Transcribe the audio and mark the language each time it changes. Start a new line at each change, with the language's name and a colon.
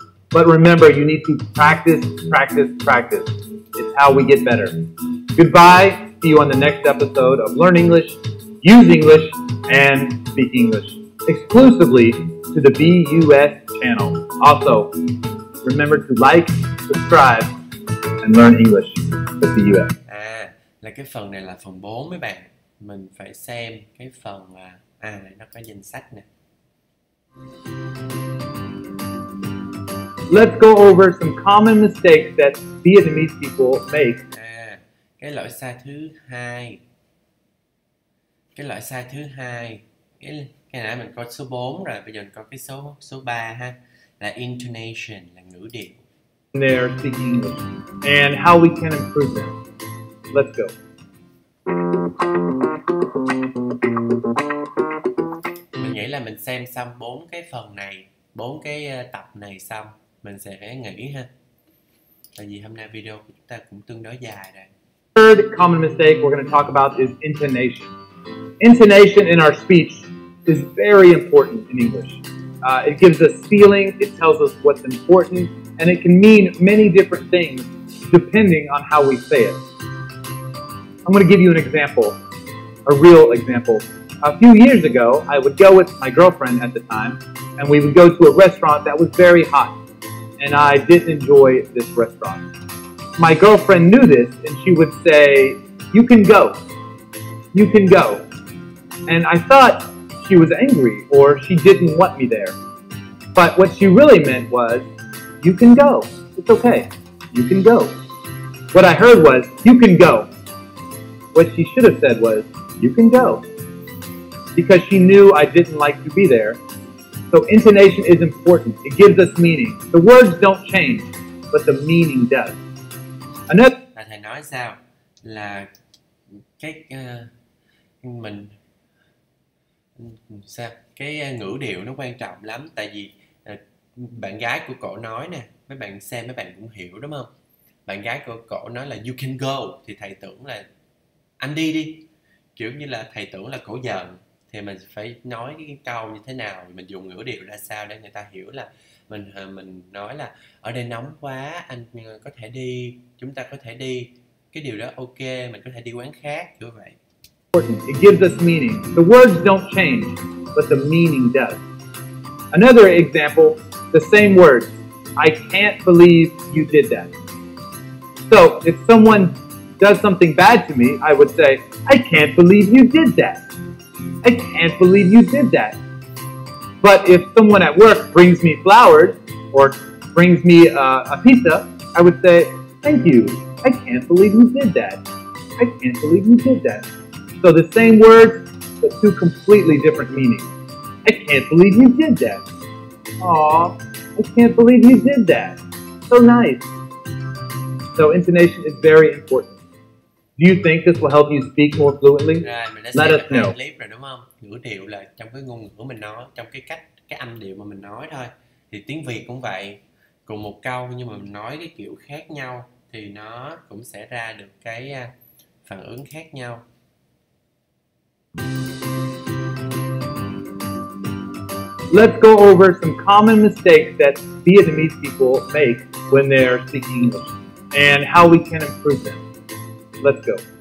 English: But remember, you need to practice, practice, practice. It's how we get better. Goodbye. See you on the next episode of Learn English, Use English, and Speak English, exclusively to the BUS channel. Also, remember to like, subscribe, and learn English with BUS.
Vietnamese: À, là cái phần này là phần 4 mấy bạn. Mình phải xem cái phần nó có danh sách nè.
English: Let's go over some common mistakes that Vietnamese people make.
Vietnamese: Cái lỗi sai thứ hai. Cái lỗi sai thứ hai. Cái nãy mình có số 4 rồi, bây giờ mình có cái số 3 ha. Là intonation, là ngữ điệu.
English: They're speaking English. And how we can improve them. Let's go.
Vietnamese: Mình nghĩ là mình xem xong bốn cái phần này, bốn cái tập này xong, mình sẽ nghỉ ha. Tại vì hôm nay video của chúng ta cũng tương đối dài rồi.
English: Third common mistake we're going to talk about is intonation. Intonation in our speech is very important in English. It gives us feeling, it tells us what's important, and it can mean many different things depending on how we say it. I'm going to give you an example, a real example. A few years ago, I would go with my girlfriend at the time, and we would go to a restaurant that was very hot, and I didn't enjoy this restaurant. My girlfriend knew this, and she would say, "You can go. You can go." And I thought she was angry, or she didn't want me there. But what she really meant was, "You can go. It's okay. You can go." What I heard was, "You can go." What she should have said was, "You can go." Because she knew I didn't like to be there. So intonation is important. It gives us meaning. The words don't change, but the meaning does.
Vietnamese: Là thầy nói sao là cái mình sao cái ngữ điệu nó quan trọng lắm, tại vì bạn gái của cổ nói nè, mấy bạn xem mấy bạn cũng hiểu đúng không, bạn gái của cổ nói là
English: you can go
Vietnamese: thì thầy tưởng là anh đi đi, kiểu như là thầy tưởng là cổ giận, thì mình phải nói cái câu như thế nào, mình dùng ngữ điệu ra sao để người ta hiểu là mình nói là ở đây nóng quá, anh có thể đi, chúng ta có thể đi, cái điều đó ok, mình có thể đi quán khác, kiểu vậy.
English: It gives us meaning. The words don't change, but the meaning does. Another example, the same word. I can't believe you did that. So, if someone does something bad to me, I would say, I can't believe you did that. I can't believe you did that. But if someone at work brings me flowers or brings me a pizza, I would say, thank you. I can't believe you did that. I can't believe you did that. So the same words, but two completely different meanings. I can't believe you did that. Aw, I can't believe you did that. So nice. So intonation is very important. Do you think this will help you speak more fluently? Let us know.
Vietnamese: Ngữ điệu là trong cái ngôn ngữ mình nói, trong cái cách, cái âm điệu mà mình nói thôi. Thì tiếng Việt cũng vậy, cùng một câu nhưng mà mình nói cái kiểu khác nhau thì nó cũng sẽ ra được cái phản ứng khác nhau.
English: Let's go over some common mistakes that Vietnamese people make when they're speaking English and how we can improve them. Let's go.